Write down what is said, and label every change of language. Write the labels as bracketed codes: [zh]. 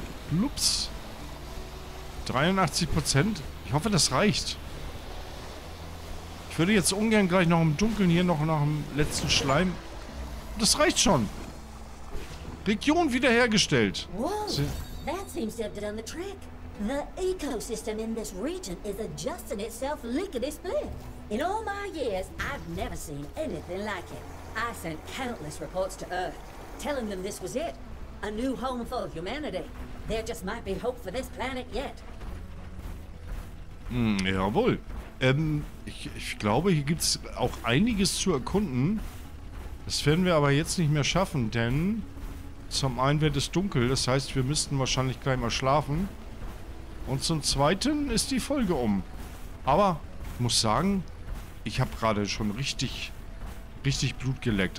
[de] Lups. 83%. Ich hoffe, das reicht. Ich würde jetzt ungern gleich noch im Dunkeln hier noch nach dem letzten Schleim. Das reicht schon. Region wiederhergestellt. [en] Whoa, that seems to have done the trick. The ecosystem in this region is adjusting itself lickety-split. In all my years, I've never seen anything like it. I sent countless reports to Earth, telling them this was it. A new home for humanity. There just might be hope for this planet yet. [de] Hm, jawohl. Ich glaube, hier gibt es auch einiges zu erkunden. Das werden wir aber jetzt nicht mehr schaffen, denn zum einen wird es dunkel, das heißt, wir müssten wahrscheinlich gleich mal schlafen. Und zum zweiten ist die Folge um. Aber ich muss sagen, ich habe gerade schon richtig Blut geleckt.